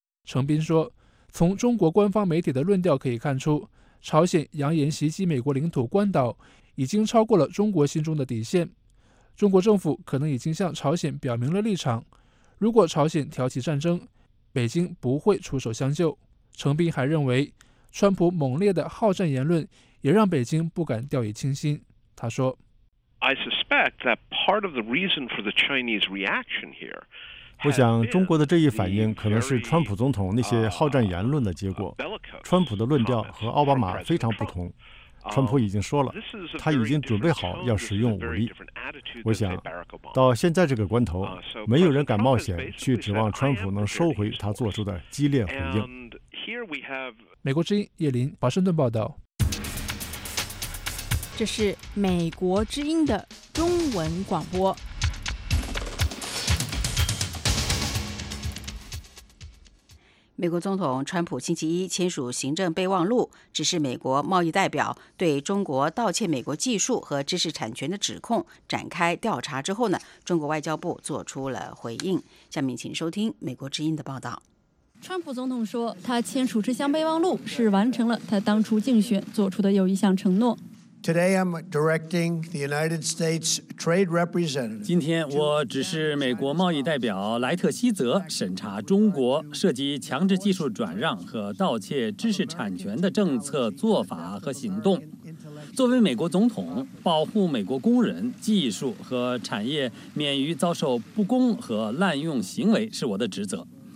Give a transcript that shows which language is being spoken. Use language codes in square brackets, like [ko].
[zh] 程斌说，从中国官方媒体的论调可以看出，朝鲜扬言袭击美国领土关岛已经超过了中国心中的底线，中国政府可能已经向朝鲜表明了立场，如果朝鲜挑起战争，北京不会出手相救。程斌还认为，川普猛烈的好战言论也让北京不敢掉以轻心。他说， [en] I suspect that part of the reason for the Chinese reaction here [zh] 我想中国的这一反应可能是川普总统那些好战言论的结果。川普的论调和奥巴马非常不同。川普已经说了，他已经准备好要使用武力。我想，到现在这个关头，没有人敢冒险去指望川普能收回他做出的激烈回应。美国之音叶林华盛顿报道。这是美国之音的中文广播。美国总统川普星期一签署行政备忘录，指示美国贸易代表对中国盗窃美国技术和知识产权的指控展开调查之后呢，中国外交部做出了回应。下面请收听美国之音的报道。川普总统说，他签署这项备忘录是完成了他当初竞选做出的又一项承诺。 [en] Today I'm directing the United States Trade Representative. [zh] 今天我指示美国贸易代表莱特希泽审查中国涉及强制技术转让和盗窃知识产权的政策做法和行动。作为美国总统，保护美国工人、技术和产业免于遭受不公和滥用行为是我的职责。